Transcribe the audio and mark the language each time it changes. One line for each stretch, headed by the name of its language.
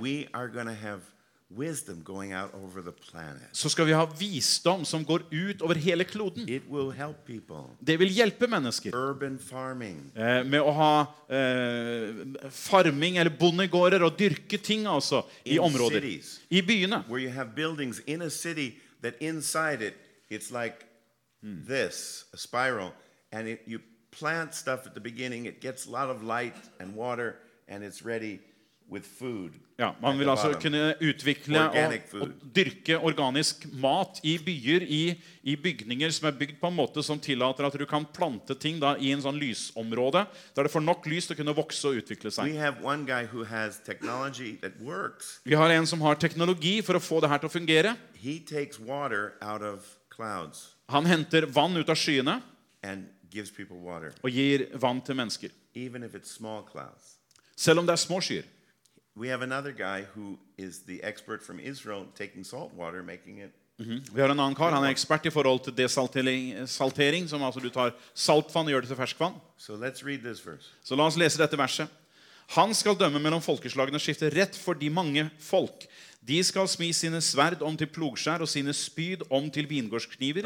English: We are going to have wisdom going out over the planet.
Swedish: Så ska vi ha visdom som går ut över hela kloden.
English: It will help people.
Swedish: Det vill hjälpa människor.
English: Urban farming.
Swedish: Med att ha farming eller bondegårdar och dyrka ting alltså i områden. I byarna.
English: Where you have buildings in a city that inside it it's like this, a spiral and it, you plant stuff at the beginning, it gets a lot of light and water and it's ready. With food.
Swedish: Ja, man vill alltså kunna utveckla och dyrka organisk mat I byar I byggnader som är byggt på en måte som tillåter att du kan plante ting då I en sån lysområde där det får nok lys att kunna växa och utveckla sig.
English: We have one guy who has technology that works.
Swedish: Vi har en som har teknologi för att få det här att fungera.
English: He takes water out of clouds.
Swedish: Han hämtar vatten ut av skyarna
English: and gives people water.
Swedish: Och ger vatten till människor.
English: Even if it's small clouds.
Swedish: Selv om det är små skyar.
English: We have another guy who is the expert from Israel taking salt water making it.
Swedish: Vi har en annan karl, han är expert I förhåll till desaltering som alltså du tar saltvatten och gör det till färskvatten.
English: So let's read this verse.
Swedish: Så låt oss läsa detta verset. Han skall döma mellan folkeslagen och skifta rätt för de många folk. De skall smi sina svärd om till plogskär och sina spyd om till vingårdskniver.